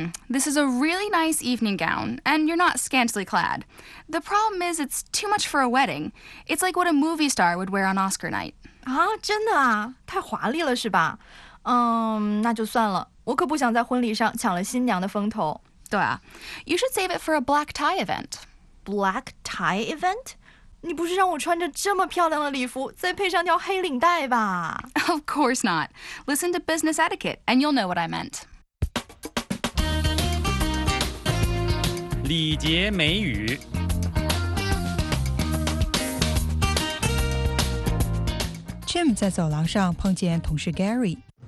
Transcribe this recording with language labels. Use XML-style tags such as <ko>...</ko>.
<en>This is a really nice evening gown, and you're not scantily clad. The problem is it's too much for a wedding. It's like what a movie star would wear on Oscar night.</en> <zh>啊真的啊太华丽了是吧那就算了我可不想在婚礼上抢了新娘的风头。对啊</zh> <en>You should save it for a black tie event. Black tie event?</en> <zh>你不是让我穿着这么漂亮的礼服再配上条黑领带吧</zh> <en>Of course not. Listen to business etiquette and you'll know what I meant.</en> <zh>礼节美语 Jim 在走廊上碰见同事 Gary.</zh>